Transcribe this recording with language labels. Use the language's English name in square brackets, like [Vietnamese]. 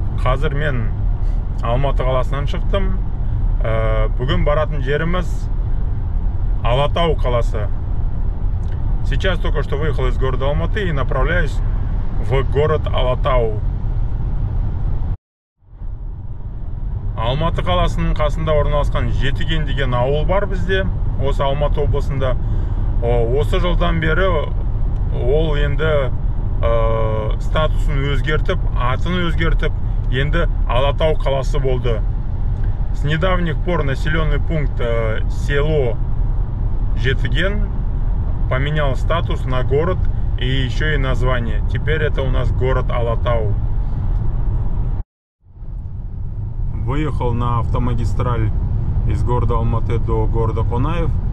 [Kazakh] Қазір мен Алматы қаласынан шықтым. Бүгін баратын жеріміз Алатау қаласы. [Russian] Сейчас только что выехал из города Алматы и направляюсь в город Алатау. [Kazakh] Алматы қаласының қасында орналасқан Жетіген деген ауыл бар бізде. Осы Алматы облысында. Осы жылдан бері ол енді статусын өзгертіп, атын өзгертіп, енді Алатау қаласы болды. [Russian] С недавних пор населенный пункт село Жетіген поменял статус на город и еще и название. Теперь это у нас город Алатау. Выехал на автомагистраль из города Алматы до города Конаев.